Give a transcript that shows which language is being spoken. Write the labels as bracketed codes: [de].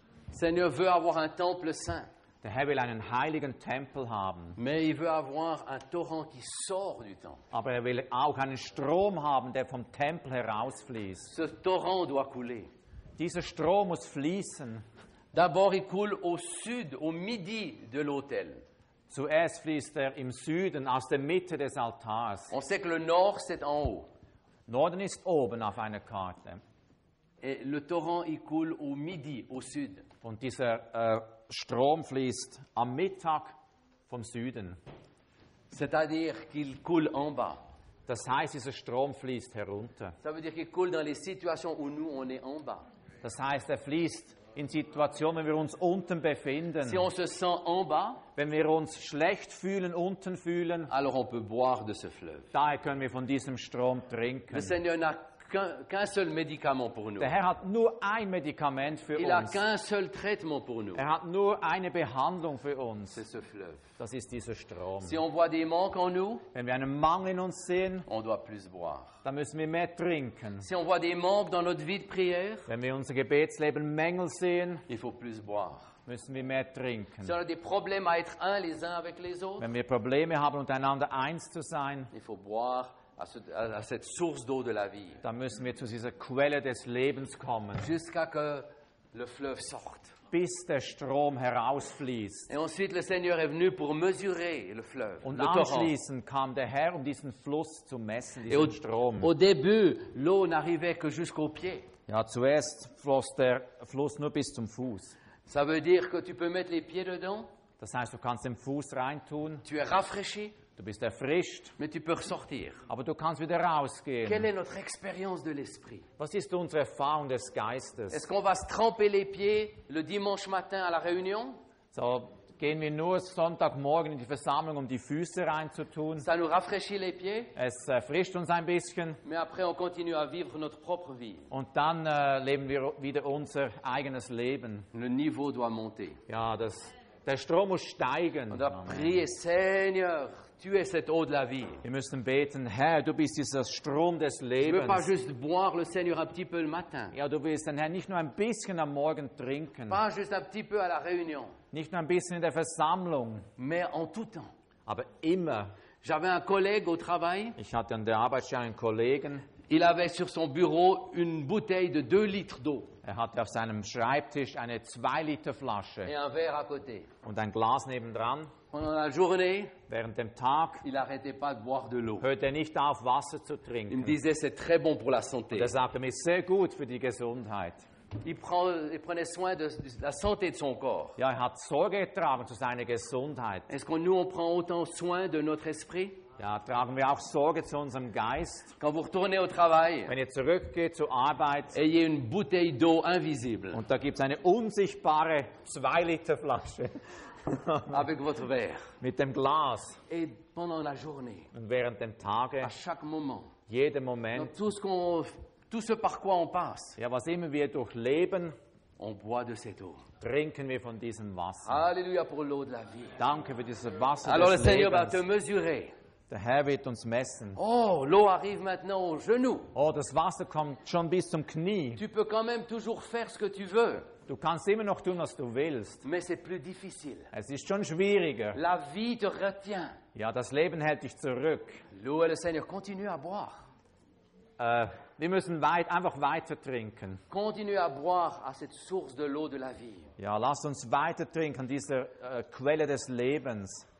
[fr] Seigneur veut avoir un temple saint. [de] Der Herr will einen heiligen Tempel haben. [fr] Mais il veut avoir un torrent qui sort du temple. [de] Aber er will auch einen Strom haben, der vom Tempel herausfließt. [fr] Ce torrent doit couler. [de] Dieser Strom muss fließen. [fr] D'abord il coule au sud, au midi de l'autel. [de] Zuerst fließt er im Süden, aus der Mitte des Altars. [fr] On sait que le nord c'est en haut. [de] Norden ist oben auf einer Karte. [fr] Et le torrent il coule au midi, au sud. [de] Und dieser Strom fließt am Mittag vom Süden. [fr] C'est-à-dire qu'il coule en bas. [de] Das heißt, dieser Strom fließt herunter. [fr] Ça veut dire qu'il coule dans les situations où nous on est en bas. [de] Das heißt, er fließt in Situationen, wenn wir uns unten befinden. [fr] Si on se sent en bas, [de] wenn wir uns schlecht fühlen, unten fühlen, [fr] alors on peut boire de ce fleuve. [de] Daher können wir von diesem Strom trinken. [fr] Le Seigneur n'a qu'un seul médicament pour nous. [de] Der Herr hat nur ein Medikament für uns. [fr] Il a qu'un seul traitement pour nous. [de] Er hat nur eine Behandlung für uns. [fr] C'est ce fleuve. [de] Das ist dieser Strom. [fr] Si on voit des manques en nous, [de] wenn wir einen Mangel in uns sehen, [fr] on doit plus boire. [de] Dann müssen wir mehr trinken. [fr] Si on voit des manques dans notre vie de prière, [de] wenn wir unser Gebetsleben Mängel sehen, [fr] il faut plus boire. [de] Müssen wir mehr trinken. [fr] Si on a des problèmes à être un les uns avec les autres, [de] wenn wir Probleme haben, untereinander eins zu sein, [fr] il faut boire. À cette source d'eau de la vie. [de] Da müssen wir zu dieser Quelle des Lebens kommen. [fr] Jusqu'à que le fleuve sorte. [de] Bis der Strom herausfließt. [fr] Et ensuite, le Seigneur est venu pour mesurer le fleuve. [de] Und [fr] le [de] anschließend Kam der Herr, um diesen Fluss zu messen, diesen Strom. [fr] Au début, l'eau n'arrivait que jusqu'au pied. [de] Ja, zuerst floss der Fluss nur bis zum Fuß. [fr] Ça veut dire que tu peux mettre les pieds dedans. [de] Das heißt, du kannst den Fuß reintun. [fr] Tu es rafraîchi. [de] Du bist erfrischt. [fr] Mais tu peux ressortir. [de] Aber du kannst wieder rausgehen. [fr] Quelle est notre expérience de l'esprit? [de] Was ist unsere Erfahrung des Geistes? [fr] Est-ce qu'on va se tremper les pieds le dimanche matin à la réunion? [de] So, gehen wir nur Sonntagmorgen in die Versammlung, um die Füße reinzutun. [fr] Ça nous rafraîchit les pieds. [de] Es erfrischt uns ein bisschen. [fr] Mais après on continue à vivre notre propre vie. [de] Und dann leben wir wieder unser eigenes Leben. [fr] Le niveau doit monter. [de] Ja, der Strom muss steigen. [fr] On doit prier, Seigneur. Tu es cette eau de la vie. [de] Wir müssen beten, Herr, du bist dieser Strom des Lebens. [fr] Je veux pas juste boire le Seigneur un petit peu le matin. [de] Ja, du willst den Herr nicht nur ein bisschen am Morgen trinken. [fr] Pas juste un petit peu à la réunion. [de] Nicht nur ein bisschen in der Versammlung. [fr] Mais en tout temps. [de] Aber immer. [fr] J'avais un collègue au travail. [de] Ich hatte an der Arbeit schon einen Kollegen. [fr] Il avait sur son bureau une bouteille de 2 litres d'eau. [de] Er hatte auf seinem Schreibtisch eine 2-Liter Flasche [fr] et un verre à côté. [de] Und ein Glas nebendran. [fr] Pendant la journée, [de] während dem Tag, [fr] il arrêtait pas de boire de l'eau. [de] Hörte er nicht auf, Wasser zu trinken. [fr] Il me disait, c'est très bon pour la santé. [de] Und er sagte mir, sehr gut für die Gesundheit. [fr] Il prenait soin de la santé de son corps. [de] Ja, er hat Sorge getragen zu seiner Gesundheit. [fr] Est-ce que nous on prend autant soin de notre esprit? [de] Ja, tragen wir auch Sorge zu unserem Geist. [fr] Quand vous retournez au travail, [de] wenn ihr zurückgeht zur Arbeit, [fr] ayez une bouteille d'eau invisible. [de] Und da gibt es eine unsichtbare 2-Liter Flasche. [fr] Avec votre verre. [de] Mit dem Glas. [fr] Et pendant la journée. [de] Und während dem Tage. [fr] À chaque moment. [de] Jeden Moment. [fr] Dans tout ce qu'on, tout ce par quoi on passe. [de] Ja, was immer wir durchleben. [fr] On boit de cette eau. [de] Trinken wir von diesem Wasser. [fr] Alléluia pour l'eau de la vie. [de] Danke für dieses Wasser [fr] Alors [de] des [fr] le Seigneur [de] Lebens. [fr] Va te mesurer. [de] Der Herr wird uns messen. [fr] Oh, l'eau arrive maintenant aux genoux. [de] Oh, das Wasser kommt schon bis zum Knie. [fr] Tu peux quand même toujours faire ce que tu veux. [de] Du kannst immer noch tun, was du willst. [fr] Mais c'est plus difficile. [de] Es ist schon schwieriger. [fr] La vie te retient. [de] Ja, das Leben hält dich zurück. [fr] L'eau et le Seigneur, continue à boire. [de] Wir müssen einfach weiter trinken. [fr] Continue à boire à cette source de l'eau de la vie. [de] Ja, lass uns weiter trinken an dieser Quelle des Lebens.